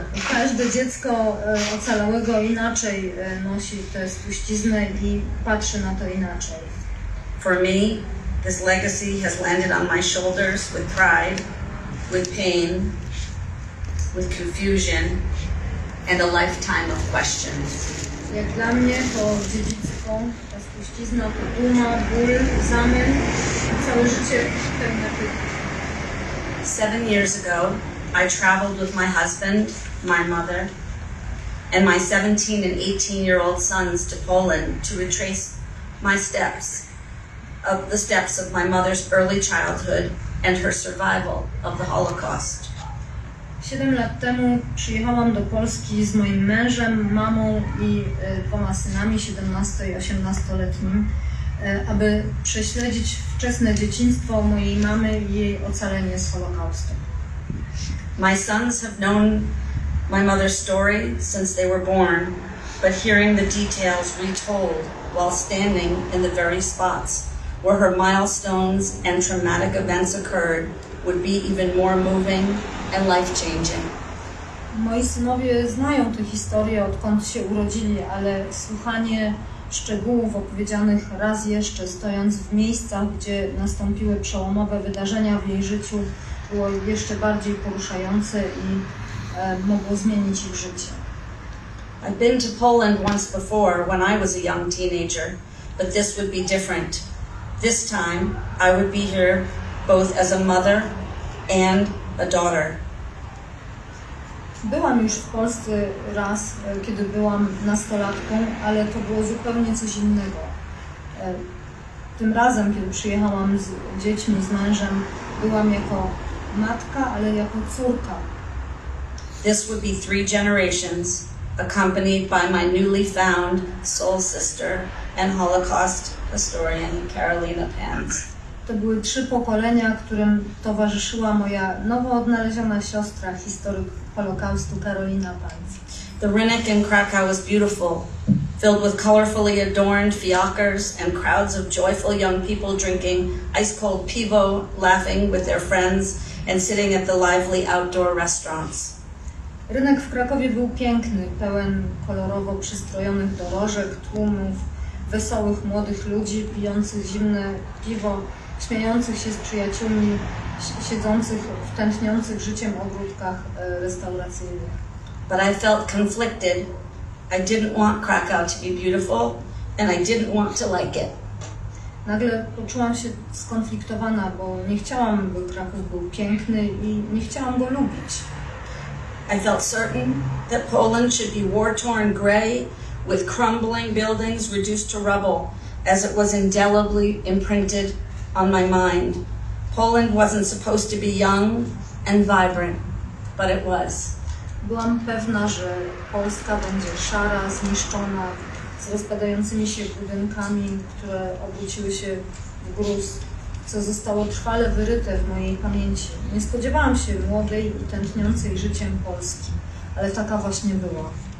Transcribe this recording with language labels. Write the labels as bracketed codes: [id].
[pl] Każde dziecko ocalałego inaczej nosi tę spuściznę i patrzy na to inaczej. [en] For me, this legacy has landed on my shoulders with pride, with pain, with confusion, and a lifetime of questions. [pl] Jak dla mnie to dziedzictwo, ta spuścizna, to duma, ból, zamęt, całe życie pełne pytań. [en] 7 years ago, I traveled with my husband, my mother, and my 17 and 18-year-old sons to Poland to retrace the steps of my mother's early childhood and her survival of the Holocaust. [pl] 7 lat temu przyjechałam do Polski z moim mężem, mamą i dwoma synami, 17 i 18-letnim, aby prześledzić wczesne dzieciństwo mojej mamy i jej ocalenie z Holokaustu. [en] My sons have known my mother's story since they were born, but hearing the details retold while standing in the very spots where her milestones and traumatic events occurred would be even more moving and life-changing. [pl] Moi synowie znają tę historię, odkąd się urodzili, ale słuchanie szczegółów opowiedzianych raz jeszcze, stojąc w miejscach, gdzie nastąpiły przełomowe wydarzenia w jej życiu, było jeszcze bardziej poruszające i mogło zmienić ich życie. [en] I've been to Poland once before when I was a young teenager, but this would be different. This time I would be here both as a mother and a daughter. [pl] Byłam już w Polsce raz, kiedy byłam nastolatką, ale to było zupełnie coś innego. Tym razem, kiedy przyjechałam z dziećmi, z mężem, byłam jako matka, ale jako córka. [en] This would be three generations accompanied by my newly found soul sister and Holocaust historian Karolina Pans. [pl] To były trzy pokolenia, którym towarzyszyła moja nowo odnaleziona siostra, historyk Holokaustu Karolina Pans. [en] The Rynek in Krakow was beautiful, filled with colorfully adorned fiakers and crowds of joyful young people drinking ice cold piwo, laughing with their friends and sitting at the lively outdoor restaurants. [pl] Rynek w Krakowie był piękny, pełen kolorowo przystrojonych dorożek, tłumów, wesołych młodych ludzi pijących zimne piwo, śmiejących się z przyjaciółmi, siedzących w tętniących życiem ogródkach restauracyjnych. [en] But I felt conflicted. I didn't want Krakow to be beautiful and I didn't want to like it. [pl] Nagle poczułam się skonfliktowana, bo nie chciałam, by Kraków był piękny i nie chciałam go lubić. [en] I felt certain that Poland should be war-torn gray with crumbling buildings reduced to rubble as it was indelibly imprinted on my mind. Poland wasn't supposed to be young and vibrant, but it was. [pl] Byłam pewna, że Polska będzie szara, zniszczona, z rozpadającymi się budynkami, które obróciły się w gruz, co zostało trwale wyryte w mojej pamięci. Nie spodziewałam się młodej i tętniącej życiem Polski, ale taka właśnie była.